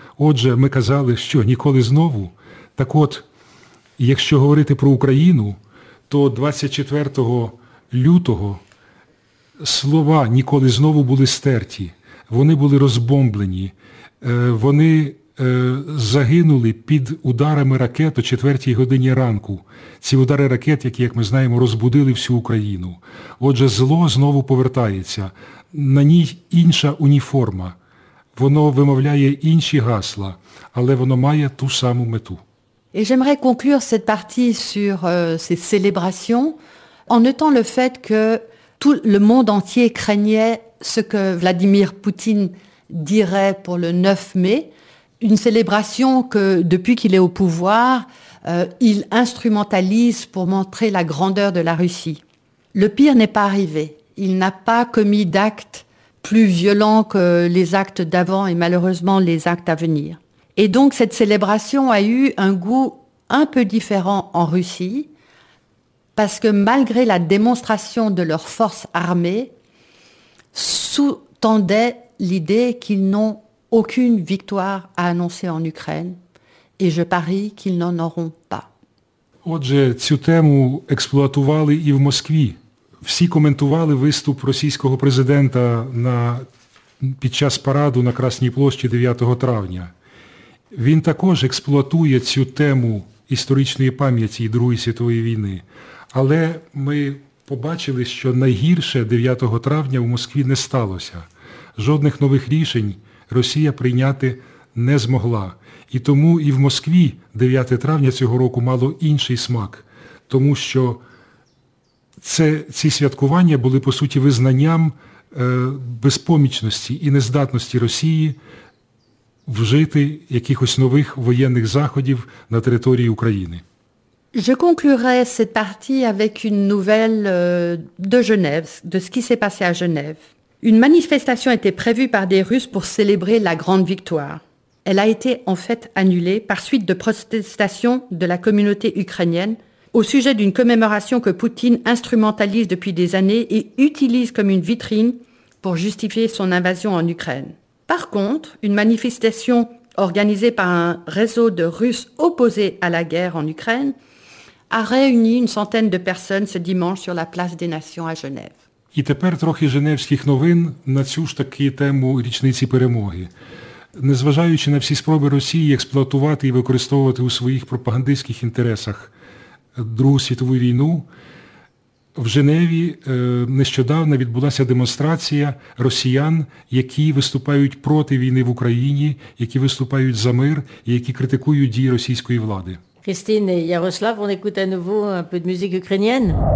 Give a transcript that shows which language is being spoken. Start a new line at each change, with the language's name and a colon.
Ukrainian: Отже, ми казали, що «Ніколи знову». Так от, якщо говорити про Україну, то 24 лютого слова «Ніколи знову» були стерті, вони були розбомблені, вони загинули під ударами ракет о 4-й годині ранку. Ці удари ракет, які, як ми знаємо, розбудили всю Україну. Отже, зло знову повертається. На ній інша уніформа. Воно вимовляє інші гасла, але воно має ту саму мету.
French: Et j'aimerais conclure cette partie sur ces célébrations en notant le fait que tout le monde entier craignait ce que Vladimir Poutine dirait pour le 9 mai. Une célébration que, depuis qu'il est au pouvoir, il instrumentalise pour montrer la grandeur de la Russie. Le pire n'est pas arrivé. Il n'a pas commis d'actes plus violents que les actes d'avant et malheureusement les actes à venir. Et donc cette célébration a eu un goût un peu différent en Russie, parce que malgré la démonstration de leurs forces armées, sous-tendait l'idée qu'ils n'ont aucune victoire à annoncer en Ukraine, et je parie qu'ils n'en auront pas.
Ukrainian: Отже, цю тему експлуатували і в Москві. Всі коментували виступ російського президента під час параду на Красній площі 9 травня. Він також експлуатує цю тему історичної пам'яті і Другої світової війни. Але ми побачили, що найгірше 9 травня в Москві не сталося. Жодних нових рішень Росія прийняти не змогла. І тому і в Москві 9 травня цього року мало інший смак. Тому що ці святкування були, по суті, визнанням безпомічності і нездатності Росії вжити якихось нових воєнних заходів на території України.
French: Je conclurai cette partie avec une nouvelle de Genève, de ce qui s'est passé à Genève. Une manifestation était prévue par des Russes pour célébrer la grande victoire. Elle a été en fait annulée par suite de protestations de la communauté ukrainienne au sujet d'une commémoration que Poutine instrumentalise depuis des années et utilise comme une vitrine pour justifier son invasion en Ukraine. Par contre, une manifestation organisée par un réseau de Russes opposés à la guerre en Ukraine a réuni une centaine de personnes ce dimanche sur la place des Nations à Genève. І тепер трохи женевських новин на цю ж таки тему річниці перемоги. Незважаючи на всі спроби Росії експлуатувати і використовувати у своїх пропагандистських інтересах Другу світову війну, в Женеві нещодавно відбулася демонстрація росіян, які виступають проти війни в Україні, які виступають за мир і які критикують дії російської влади. Christine et Yaroslav, on écoute à nouveau un peu de musique ukrainienne.